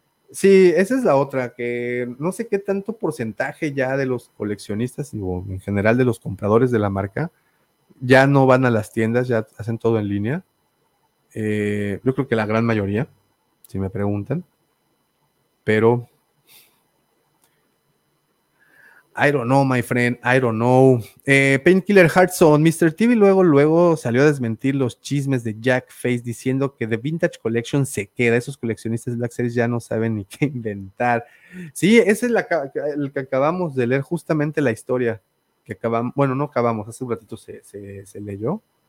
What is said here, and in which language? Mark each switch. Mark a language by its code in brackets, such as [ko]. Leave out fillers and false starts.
[es] Sí, esa es la otra, que no sé qué tanto porcentaje ya de los coleccionistas, digo, en general de los compradores de la marca, ya no van a las tiendas, ya hacen todo en línea. Yo creo que la gran mayoría, si me preguntan. Pero [en] I don't know, my friend, I don't know. Painkiller Hartson, Mr. [es] TV luego salió a desmentir los chismes de Jack Face diciendo que The Vintage Collection se queda. Esos coleccionistas de Black Series ya no saben ni qué inventar. Sí, ese es el que acabamos de leer, justamente la historia que acabamos, bueno, no acabamos, hace un ratito se leyó.